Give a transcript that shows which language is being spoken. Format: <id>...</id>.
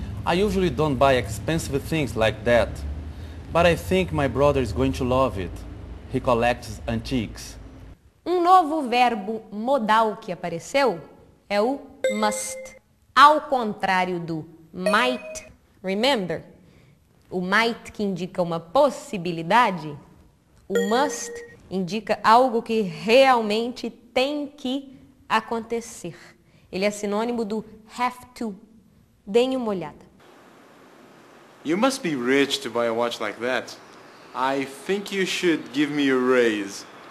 <en>I usually don't buy expensive things like that, but I think my brother is going to love it. He collects antiques.</en> <pt>Um novo verbo modal que apareceu é o must, ao contrário do might. Remember, o might que indica uma possibilidade, o must indica algo que realmente tem que acontecer. Ele é sinônimo do have to. Deem uma olhada.</pt> <en>You must be rich to buy a watch like that. I think you should give me a raise.</en>